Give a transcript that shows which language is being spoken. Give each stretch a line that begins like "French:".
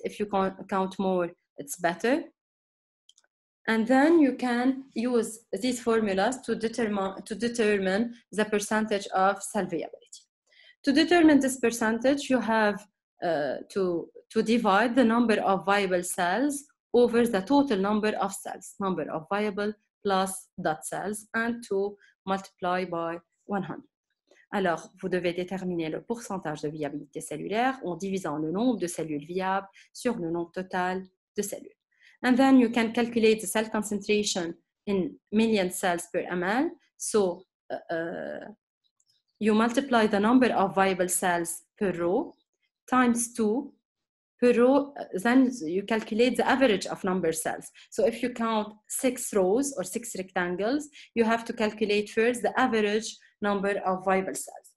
English: If you can count more, it's better. And then you can use these formulas to determine the percentage of salviability. To determine this percentage, you have to divide the number of viable cells over the total number of cells, number of viable plus dot cells, and to multiply by 100.
French: Alors, vous devez déterminer le pourcentage de viabilité cellulaire en divisant le nombre de cellules viables sur le nombre total de cellules.
English: And then you can calculate the cell concentration in million cells per ml. So you multiply the number of viable cells per row times 2 per row. Then you calculate the average of number cells. So if you count 6 rows or 6 rectangles, you have to calculate first the average number of viable cells.